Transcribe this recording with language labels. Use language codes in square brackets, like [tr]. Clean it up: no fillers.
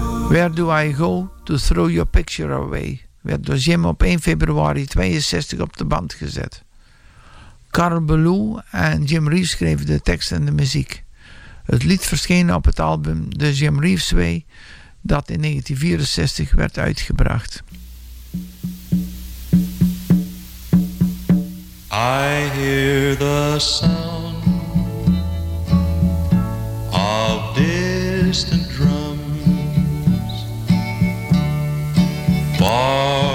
[en] Where do I go to throw your picture away? [nl] Werd door Jim op 1 februari 1962 op de band gezet. Carl Belou en Jim Reeves schreven de tekst en de muziek. Het lied verscheen op het album The Jim Reeves Way, dat in 1964 werd uitgebracht. [en] I hear the sound of distant drums far.